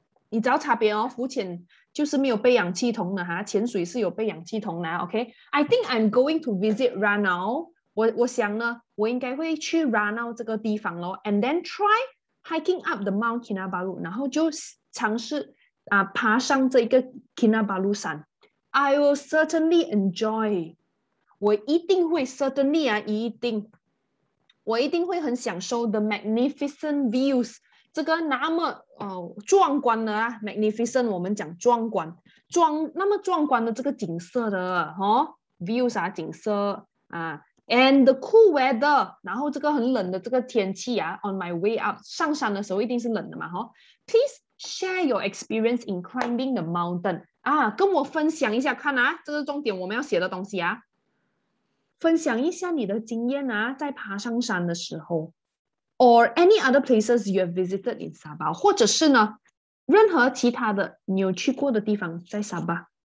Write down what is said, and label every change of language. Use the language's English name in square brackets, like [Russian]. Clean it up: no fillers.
[Chinese] 你知道差别哦，浮潜就是没有背氧气筒的哈，潜水是有背氧气筒的。 [English] OK, I think I'm going to visit Ranau. [Chinese] 我想呢，我应该会去 Ranau 这个地方咯。 [English] And then try hiking up the Mount Kinabalu, [Chinese] 然后就尝试爬上这个 Kinabalu 山。 [English] I will certainly enjoy. [Chinese] 我一定会 certainly 啊，一定，我一定会很享受 [English] the magnificent views. [Chinese] 这个那么壮观的啊 ，magnificent 我们讲壮观，那么壮观的这个景色的哈、哦、，views 啊景色啊 ， [English] and the cool weather. [Chinese] 然后这个很冷的这个天气啊 ， [English] on my way up [Chinese] 上山的时候一定是冷的嘛哈、哦。 [English] Please share your experience in climbing the mountain. [Chinese] 啊，跟我分享一下看啊，这是重点我们要写的东西啊。分享一下你的经验啊，在爬上山的时候 ， [English] or any other places you have visited in Sabah， [Chinese] 或者是呢，任何其他的你有去过的地方在 Sabah。